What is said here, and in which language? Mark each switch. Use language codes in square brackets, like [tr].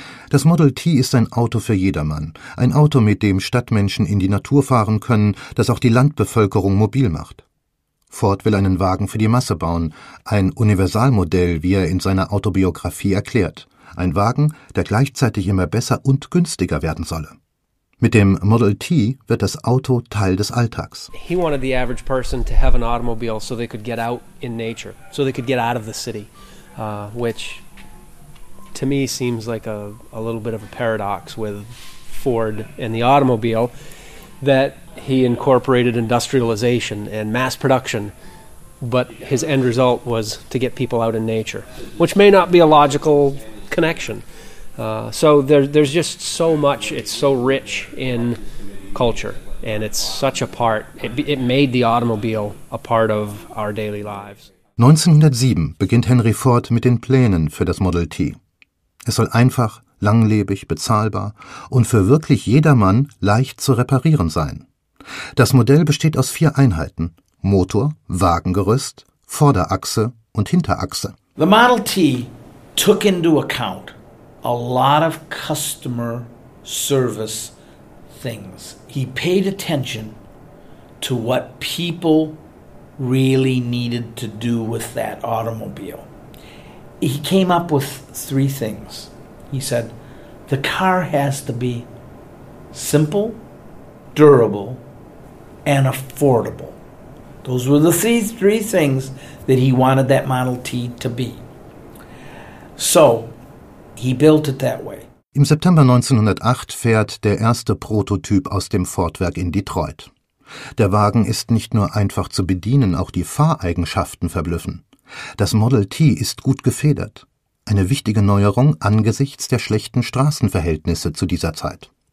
[de] Das Model T ist ein Auto für jedermann. Ein Auto, mit dem Stadtmenschen in die Natur fahren können, das auch die Landbevölkerung mobil macht. Ford will einen Wagen für die Masse bauen, ein Universalmodell, wie er in seiner Autobiografie erklärt. Ein Wagen, der gleichzeitig immer besser und günstiger werden solle. Mit dem Model T wird das Auto Teil des Alltags. [en] He wanted the average person to have an automobile so they could get out in nature, so they could get out of the city, which to me seems like a little bit of a paradox with Ford and the automobile. That he incorporated industrialization and mass production, but his end result was to get people out in nature, which may not be a logical connection. So there's just so much, it's so rich in culture, and it's such a part, it made the automobile a part of our daily lives. [de] 1907 beginnt Henry Ford mit den Plänen für das Model T. Es soll einfach, langlebig, bezahlbar und für wirklich jedermann leicht zu reparieren sein. Das Modell besteht aus 4 Einheiten: Motor, Wagengerüst, Vorderachse und Hinterachse. [en] The Model T took into account a lot of customer service things. He paid attention to what people really needed to do with that automobile. He came up with 3 things. He said, The car has to be simple, durable, and affordable. Those were the three things that he wanted that Model T to be. So he built it that way. [de] Im September 1908 fährt der erste Prototyp aus dem Ford-Werk in Detroit. Der Wagen ist nicht nur einfach zu bedienen, auch die Fahreigenschaften verblüffen. Das Model T ist gut gefedert. Eine wichtige Neuerung angesichts der schlechten Straßenverhältnisse zu dieser Zeit.